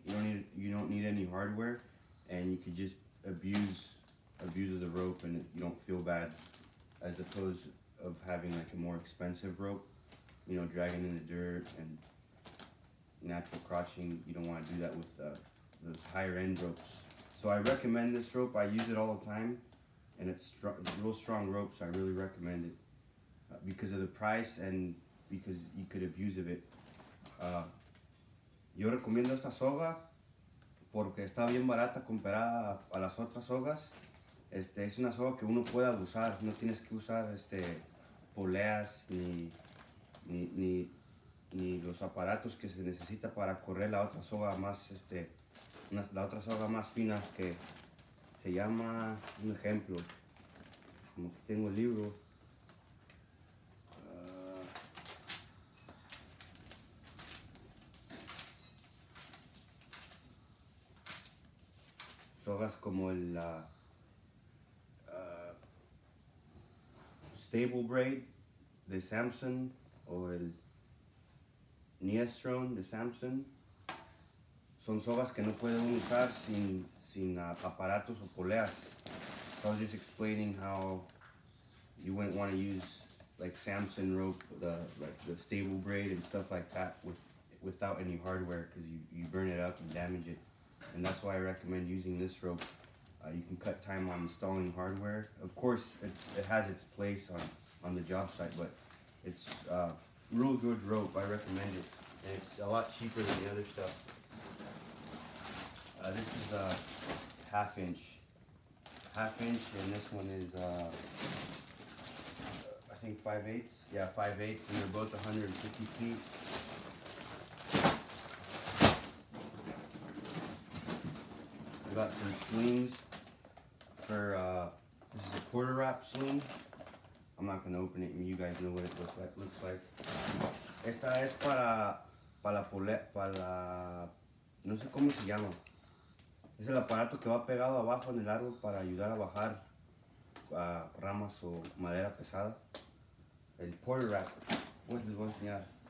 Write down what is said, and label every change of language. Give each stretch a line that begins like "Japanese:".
English: You don't need any hardware, and you can just abuse of the rope and you don't feel bad, as opposed of having like a more expensive rope, you know, dragging in the dirt and natural crotching. You don't want to do that with those higher end ropes. So I recommend this rope. I use it all the time, and it's real strong rope, so I really recommend it because of the price and because you could abuse of it.
Spanish: Yo recomiendo esta soga porque está bien barata comparada a las otras sogas. Es una soga que uno puede abusar. No tienes que usar poleas ni los aparatos que se necesita para correr la otra soga más la otra soga más fina, que se llama, un ejemplo, como que tengo el libro. Sogas como la Stable Braid de Samson, o el Neastrone de Samson. Son sogas que no pueden usar sin aparatos o poleas.
English: So I was just explaining how you wouldn't want to use like Samson rope, the Stable Braid and stuff like that without any hardware, because you burn it up and damage it. And that's why I recommend using this rope. You can cut time on installing hardware. Of course, it has its place on the job site, but it's a real good rope. I recommend it. And it's a lot cheaper than the other stuff. This is a half inch, and this one is I think 5/8. Yeah, 5/8, and they're both 150 feet. I got some slings for this is a quarter wrap sling. I'm not gonna open it, and you guys know what it looks like.
Spanish: Esta es para no sé cómo se llama. Es el aparato que va pegado abajo en el árbol para ayudar a bajar ramas o madera pesada. El porter wrap. Pues les voy a enseñar.